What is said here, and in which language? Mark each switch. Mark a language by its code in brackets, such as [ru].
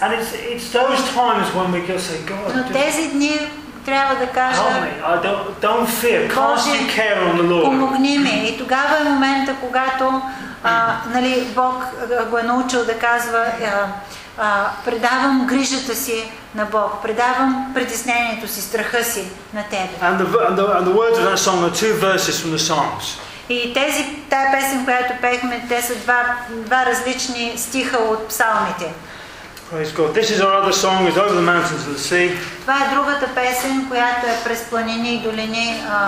[en] And it's those times when we can say, God, [bg] но тези дни трябва да кажа, [en] don't fear, cast your care on the Lord. [bg] Помогни ми. И тогава е момента, когато нали, Бог го е научил да казва, предавам грижата си на Бог, предавам притеснението си, страха си на Тебе. [en] And the words of that song are two verses from the Psalms. [bg] И тези тая песен, която пеехме, те са два различни стиха от псалмите. [en] Praise God. This is our other song, is Over the Mountains and the Sea. [bg] Това е другата песен, която е през планини и долини.